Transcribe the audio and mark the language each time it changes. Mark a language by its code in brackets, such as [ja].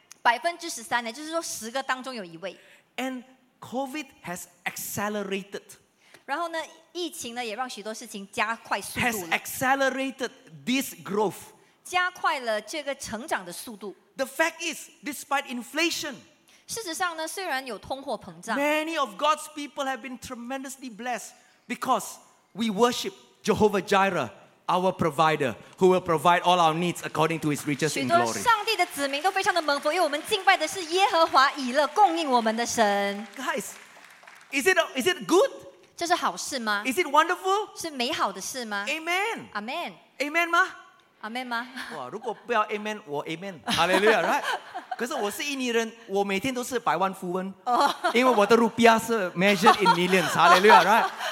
[zh] 13%呢，就是说十个当中有一位。 [en] And COVID has accelerated。 [zh] 然后呢，疫情呢也让许多事情加快速度了。 [en] Has accelerated this growth. [zh] 加快了这个成长的速度。 [en] The fact is, despite inflation, [zh] 事实上呢，虽然有通货膨胀 [en] ，many of God's people have been tremendously blessed because we worship Jehovah Jireh, our provider, who will provide all our needs according to His riches and glory. [zh] 许多上帝的子民都非常的蒙福，因为我们敬拜的是耶和华以勒，供应我们的神。 [en] Guys, is it good? [zh] 这是好事吗 [en] ？Is it wonderful？ [zh] 是美好的事吗 [en] ？Amen。 Amen。 [zh] Amen 吗？Amen 吗？哇，如果不要 Amen， 我 Amen。Hallelujah， right？ 可是我是印尼人，我每天都是百万富翁， 因为我的卢比亚是 [en] measured in millions。 [zh] Hallelujah， right？